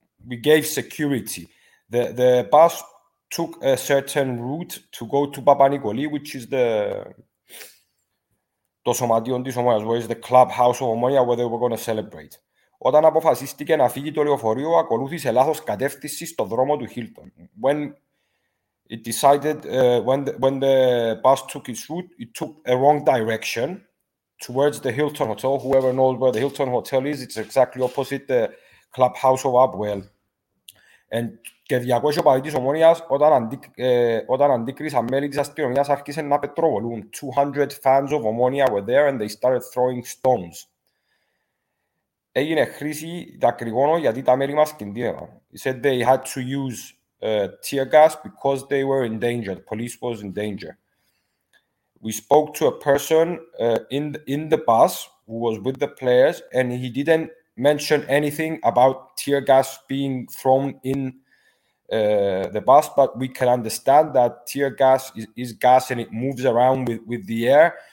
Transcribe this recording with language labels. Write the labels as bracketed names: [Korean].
[English] We gave security. The bus took a certain route to go to Παπανικολή, which is [Greek] το σωματείο της Ομόνοιας, [English] where is the clubhouse of Ομόνοια, where they were going to celebrate. [Greek] Όταν αποφασίστηκε να φύγει το λεωφορείο, ακολούθησε λάθος κατεύθυνση στο δρόμο του Hilton. [English] When it decided, when the bus took its route, it took a wrong direction towards the Hilton Hotel. Whoever knows where the Hilton Hotel is, it's exactly opposite the clubhouse of Abwell. [Greek] And και 200 οπαδοί της Ομόνοιας, όταν αντίκρισαν μέλη της αστυνομίας, άρχισαν να πετροβολούν. [English] 200 fans of Ομόνοια were there and they started throwing stones. [Greek] Έγινε χρήση δακρυγόνο γιατί τα μέλη μας κινδύνευαν. [English] He said they had to use tear gas because they were in danger. The police was in danger. We spoke to a person in the bus who was with the players and he didn't mention anything about tear gas being thrown in the bus, but we can understand that tear gas is gas and it moves around with the air.